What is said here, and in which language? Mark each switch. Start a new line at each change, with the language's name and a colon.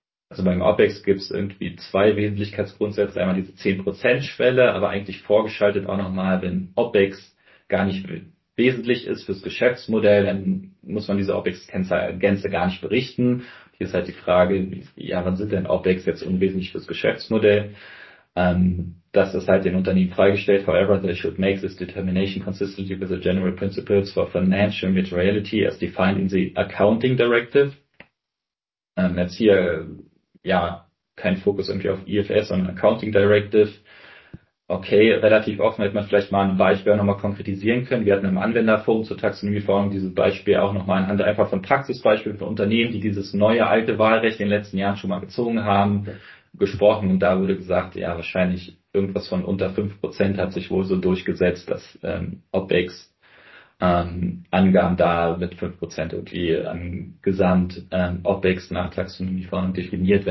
German: Also beim OPEX gibt es irgendwie zwei Wesentlichkeitsgrundsätze, einmal diese 10%-Schwelle, aber eigentlich vorgeschaltet auch nochmal, wenn OPEX gar nicht wesentlich ist fürs Geschäftsmodell, dann muss man diese OPEX-Gänze gar nicht berichten. Hier ist halt die Frage, ja, wann sind denn OPEX jetzt unwesentlich fürs Geschäftsmodell? Das ist halt den Unternehmen freigestellt.
English: However, they should make this determination consistently with the general principles for financial materiality as defined in the accounting directive.
German: Jetzt hier, ja, kein Fokus irgendwie auf IFRS, sondern Accounting Directive. Okay, relativ offen hätte man vielleicht mal ein Beispiel auch nochmal konkretisieren können. Wir hatten im Anwenderforum zur Taxonomieverordnung dieses Beispiel auch nochmal anhand einfach von Praxisbeispielen für Unternehmen, die dieses neue alte Wahlrecht in den letzten Jahren schon mal gezogen haben, gesprochen, und da wurde gesagt, ja, wahrscheinlich irgendwas von unter 5% hat sich wohl so durchgesetzt, dass OPEX Angaben da mit 5% irgendwie an Gesamt OPEX nach Taxonomieverordnung definiert.